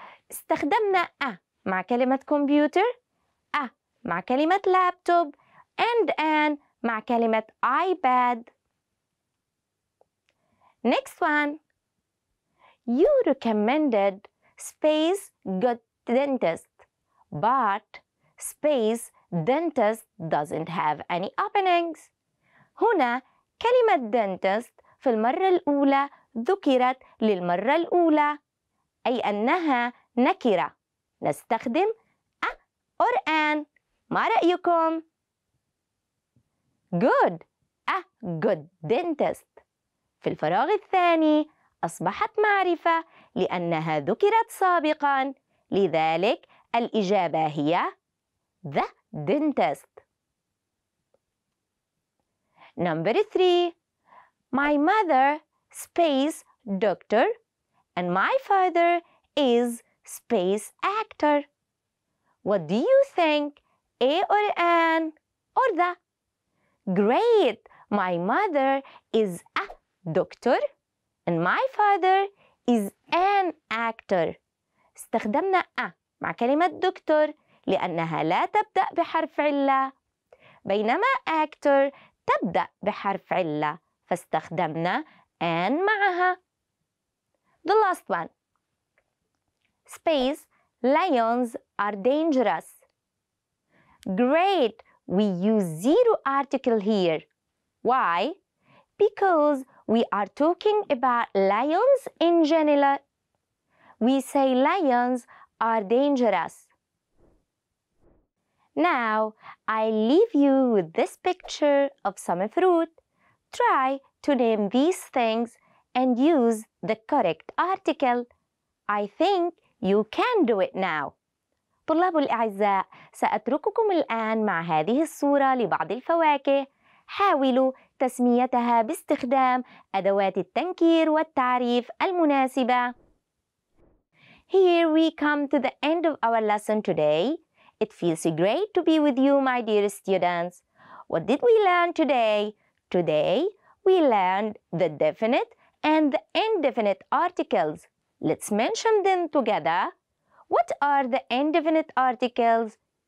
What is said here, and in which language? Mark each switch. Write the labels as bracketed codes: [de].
[ar] استخدمنا a مع كلمة computer, a مع كلمة laptop, and an مع كلمة iPad. [en] Next one. You recommended space good dentist, but space dentist doesn't have any openings. [ar] هنا كلمة dentist في المرة الأولى ذكرت للمرة الأولى أي أنها نكرة. نستخدم [en] a or an. [ar] ما رأيكم؟ [en] Good. A good dentist. [ar] في الفراغ الثاني أصبحت معرفة لأنها ذكرت سابقا. لذلك الإجابة هي the dentist. [en] Number three. My mother space doctor and my father is space actor. What do you think? A or an or the? Great! My mother is a doctor and my father is an actor. [ar] استخدمنا a مع كلمة دكتور لأنها لا تبدأ بحرف علة، بينما actor تبدأ بحرف علة، فاستخدمنا an معها. [en] The last one. Space, lions are dangerous. Great! We use zero article here. Why? Because we are talking about lions in general. We say lions are dangerous. Now, I leave you with this picture of some fruit. Try to name these things and use the correct article. I think you can do it now. [ar] طلاب الأعزاء، سأترككم الآن مع هذه الصورة لبعض الفواكه. حاولوا تسميتها باستخدام أدوات التنكير والتعريف المناسبة. [en] Here we come to the end of our lesson today. It feels great to be with you, my dear students. What did we learn today? Today, we learned the definite and the indefinite articles. Let's mention them together. What are the indefinite articles?